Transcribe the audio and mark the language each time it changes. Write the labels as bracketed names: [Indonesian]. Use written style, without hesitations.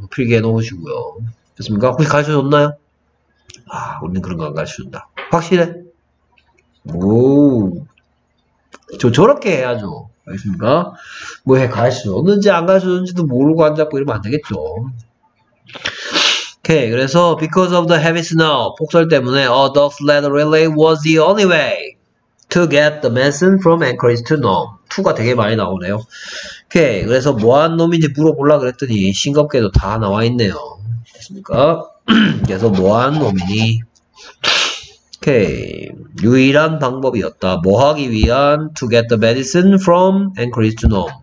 [Korean] 필기해 놓으시고요. 됐습니까? 혹시 가르쳐 줬나요? 아, 우리는 그런 거 안 가르쳐 준다. 확실해? 오. 저렇게 해야죠. 알겠습니까? 뭐 해, 가르쳐 줬는지 안 가르쳐 줬는지도 모르고 앉았고 이러면 안 되겠죠. [English] Okay, [Korean] 그래서 [English] because of the heavy snow, [Korean] 폭설 때문에 [English] a dog sled relay was the only way to get the medicine from Anchorage to Nome. [Korean] 2가 되게 많이 나오네요. Okay, 그래서 뭐한 놈인지 물어보려 그랬더니 싱겁게도 다 나와 있네요. 됐습니까? 그래서 뭐한 놈이니? Okay, 유일한 방법이었다. 뭐 하기 위한 [English] to get the medicine from Anchorage to Nome.